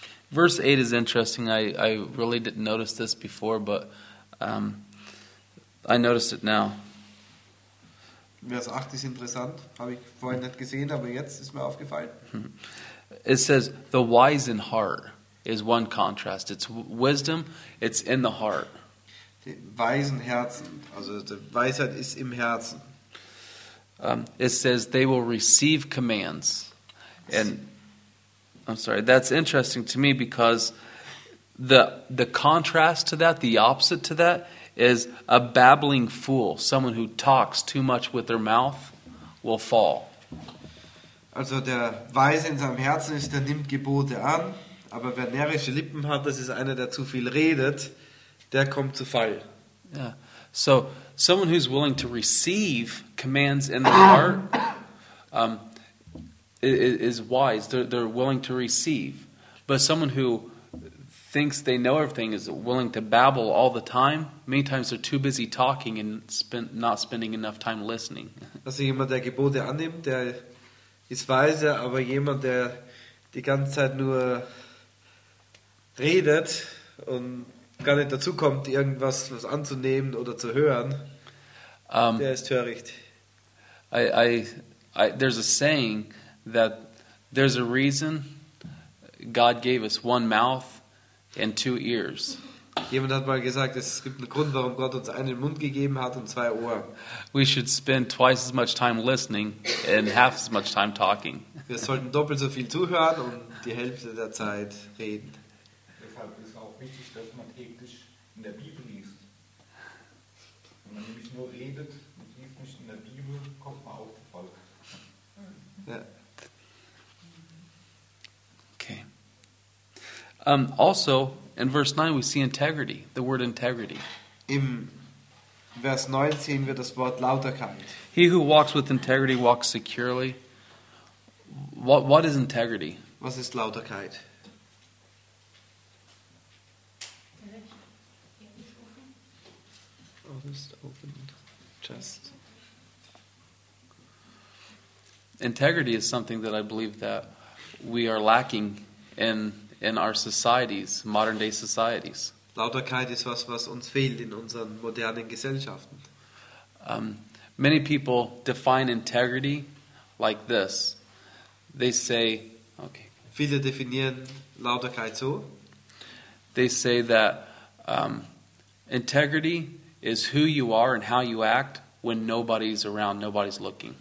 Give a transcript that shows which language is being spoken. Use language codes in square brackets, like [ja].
[en] Verse 8 is interesting. I really didn't notice this before, but I noticed it now. [de] Vers 8 ist interessant, habe ich vorhin nicht gesehen, aber jetzt ist mir aufgefallen. [en] It says, the wise in heart is one contrast. It's wisdom, it's in the heart. [de] Die weisen Herzen, also die Weisheit ist im Herzen. [en] It says, they will receive commands. And I'm sorry, that's interesting to me because the contrast to that, the opposite to that, is a babbling fool, someone who talks too much with their mouth, will fall. [de] Also der Weise in seinem Herzen ist, der nimmt Gebote an, aber wer närrische Lippen hat, das ist einer, der zu viel redet, der kommt zu Fall. [en] Yeah. So someone who's willing to receive commands in their heart is wise. They're willing to receive. But someone who thinks they know everything, is willing to babble all the time, many times they're too busy talking and not spending enough time listening. [de] Also jemand, der Gebote annimmt, der ist weise, aber jemand, der die ganze Zeit nur redet und gar nicht dazu kommt, irgendwas was anzunehmen oder zu hören, der ist töricht. [en] I, I, There's a saying that there's a reason God gave us one mouth and two ears. [de] Jemand hat mal gesagt, es gibt einen Grund, warum Gott uns einen Mund gegeben hat und zwei Ohren. [en] We should spend twice as much time listening and half as much time talking. [de] Wir sollten doppelt so viel zuhören und die Hälfte der Zeit reden. Deshalb ist auch wichtig, dass man täglich in der Bibel liest. Wenn man nämlich nur redet und liest nicht in der Bibel, kommt man auch zu Volk. [en] Okay. Also, in verse 9 we see integrity, the word integrity. [de] Im Vers 9 sehen wir das Wort Lauterkeit. [en] He who walks with integrity walks securely. What is integrity? [de] Was ist Lauterkeit? Recht. [en] Honest, open, just. Integrity is something that I believe that we are lacking in our societies, modern day societies. [de] Lauterkeit ist was, was uns fehlt in unseren modernen Gesellschaften. [en] Many people define integrity like this. They say, okay. [de] Viele definieren Lauterkeit so. [en] They say that integrity is who you are and how you act when nobody's around, nobody's looking.